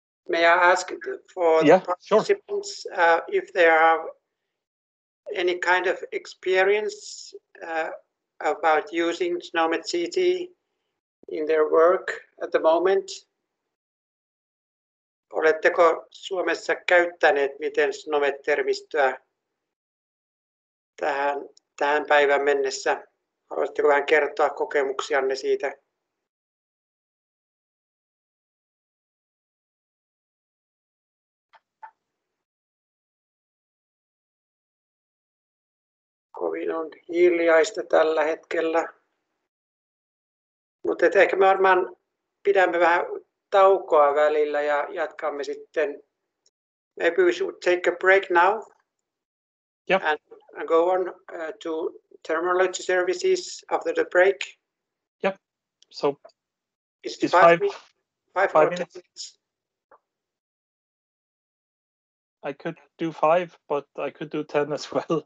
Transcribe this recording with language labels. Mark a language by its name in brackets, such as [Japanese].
[English] May I ask for the participants, sure, if there are any kind of experience about using SNOMED CT in their work at the moment? [Finnish] Oletteko Suomessa käyttäneet miten SNOMED-termistöä tähän päivään mennessä? Haluaisitteko vähän kertoa kokemuksianne siitä? Kovin on hiljaista tällä hetkellä. Mutta ehkä me varmaan pidämme vähän taukoa välillä ja jatkamme sitten. [English] Maybe we should take a break now. Yep. And go on to terminology services after the break. Yep. So is it five minutes? I could do 5, but I could do 10 as well.